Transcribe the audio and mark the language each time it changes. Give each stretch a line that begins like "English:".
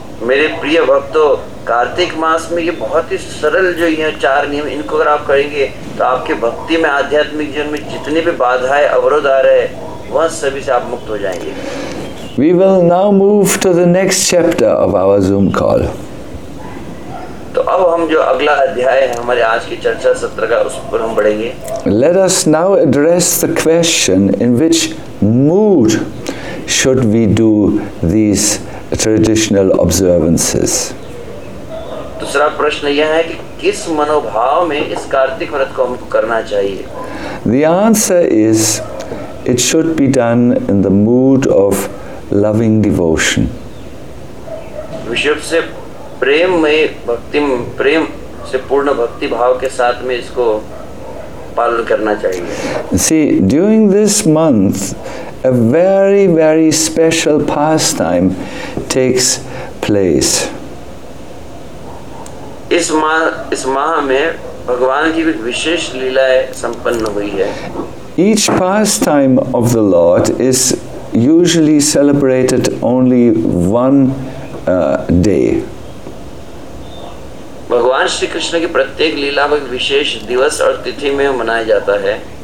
Hindi: मेरे प्रिय भक्तों, कार्तिक मास में ये बहुत ही सरल जो ये चार नियम, इनको अगर आप करेंगे तो आपके भक्ति में, आध्यात्मिक जीवन में जितनी भी बाधाएं अवरोध आ रहे हैं वह सभी से आप मुक्त हो जाएंगे।
English: We will now move to the next chapter of our Zoom call.
Hindi: तो अब हम जो अगला अध्याय है हमारे आज की चर्चा सत्र का, उस पर हम बढ़ेंगे।
English: Let us now address the question in which mood should we do these traditional observances.
Hindi: दूसरा प्रश्न यह है कि किस मनोभाव में इस कार्तिक व्रत को हमको करना चाहिए?
English: The answer is, it should be done in the mood of loving devotion.
Hindi: विषय से प्रेम में भक्ति, प्रेम से पूर्ण भक्ति भाव के साथ में इसको पालन करना चाहिए।
English: See, during this month, a very, very special pastime takes place.
Hindi: इस माह में भगवान की कुछ विशेष लीलाएं संपन्न हुई है।
English: Each pastime of the Lord is usually celebrated only one day.
Hindi: भगवान श्री कृष्ण की प्रत्येक लीला में विशेष दिवस और तिथि में मनाया जाता है।